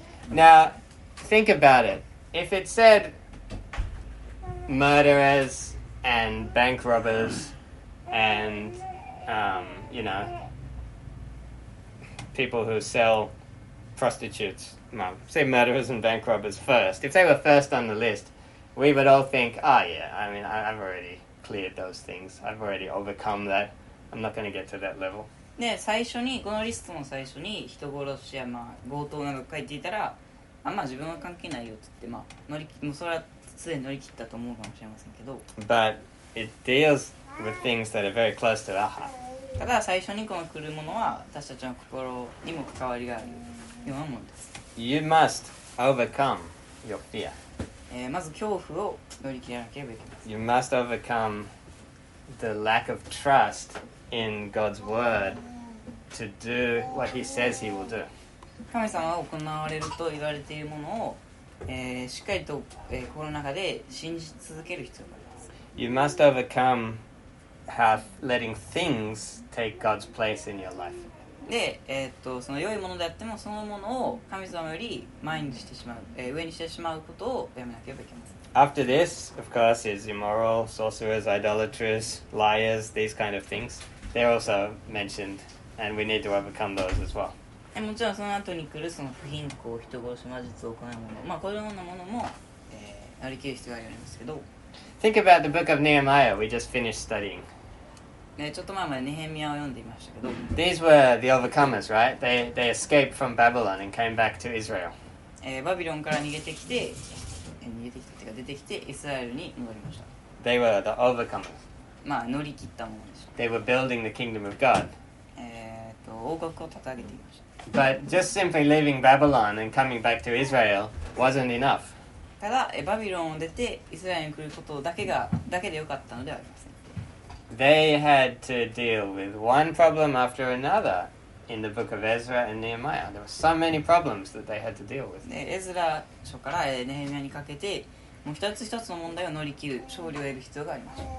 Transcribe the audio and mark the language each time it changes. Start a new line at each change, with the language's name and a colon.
English: Now, think about it. If it said, murderers and bank robbers and, you know, people who sell prostitutes. Well, say murderers and bank robbers first. If they were first on the list, we would all think, oh, yeah, I mean, I've already cleared those things. I've already overcome that. I'm not going to get to that level.
Japanese: で最初にこのリストの最初に人殺しや、まあ、強盗などが書いていたらあんま自分は関係ないよって言って、まあ、乗りもうそれはすでに乗り切ったと思うかもしれませんけど
English: But it deals with things that are very close to our heart.
Japanese: ただ最初にこの来るものは私たちの心にも関わりがあるようなものです
English: You must overcome your fear、
Japanese: まず恐怖を乗り切らなければいけません
English: You must overcome the lack of trust in God's word to do what he says he will do.
Japanese: 神様が行われると言われているものを、しっかりと、心の中で信じ続ける必要があります。
English: You must overcome half letting things take God's place in your life.
Japanese: で、その良いものであってもそのものを神様より前にしてしまう、上にしてしまうことをやめなければいけません。
English: After this, of course, is immoral, sorcerers, idolaters, liars, these kind of things. They're also mentioned, and we need to overcome those as well.
Japanese: もちろんその後に来るその不貧困、人殺し、魔術を行うもの、まあこのようなものも、乗り切る必要がありますけど。
English: Think about the book of Nehemiah we just finished studying.
Japanese: ちょっと前までネヘミヤを読んでいましたけど。
English: These were the overcomers, right? They escaped from Babylon and came back to Israel.
Japanese: バビロンから逃げてきて、逃げてきたというか出てきてイスラエルに戻りました。
English: They were the overcomers.
Japanese: まあ、乗り切ったものでしょう。
English: They were building the kingdom of God.
Japanese: 王国を立て上げていました。
English: But just simply leaving Babylon and coming back to Israel wasn't enough.
Japanese: ただ、バビロンを出てイスラエルに来ることだけでよかったのではありません。
English: They had to deal with one problem after another in the book of Ezra and Nehemiah. There were so many problems that they had to deal with.
Japanese: エズラ書からネヘミヤにかけてもう一つ一つの問題を乗り切る勝利を得る必要があります。